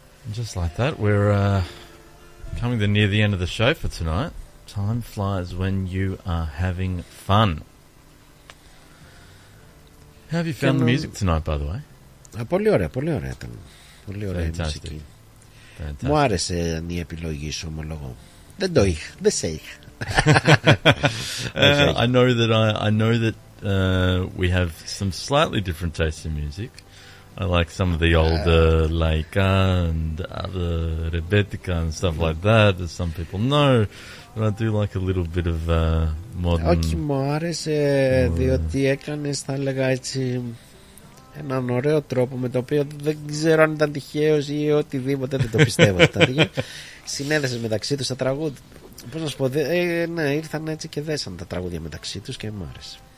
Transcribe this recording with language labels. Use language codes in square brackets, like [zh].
[en] Just like that, we're coming to near the end of the show for tonight. Time flies when you are having fun. How have you found the music tonight, by the way? [el] Πολύ ωραία, πολύ ωραία ήταν. Πολύ ωραία [en] Fantastic. [el] Η μουσική. Μου άρεσε η επιλογή σου, ομολογώ. Δεν το είχα, δεν σε είχα. [en] I know that we have some slightly different tastes in music. I like some of the older Laika and other Rebetika and stuff like that, as some people know. But I do like a little bit of modern... [el] Όχι, μου άρεσε, διότι έκανες, θα έλεγα έτσι, έναν ωραίο τρόπο με το οποίο δεν ξέρω αν ήταν τυχαίος ή οτιδήποτε, δεν το πιστεύω. Συνέδεσες μεταξύ τους τα τραγούδια. Πώς να σου πω, ναι, ήρθαν έτσι και δέσαν τα τραγούδια μεταξύ τους και μου άρεσε.